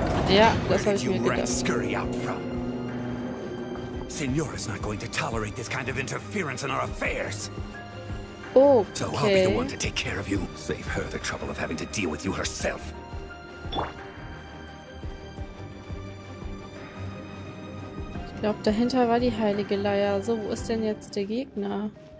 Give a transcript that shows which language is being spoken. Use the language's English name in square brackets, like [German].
[German] Ja, das habe ich mir gedacht. [English] Senor is not going to tolerate this kind of interference in our affairs. Okay. So I'll be the one to take care of you. Save her the trouble of having to deal with you herself. [German] Ich glaube, dahinter war die heilige Leier. So, wo ist denn jetzt der Gegner?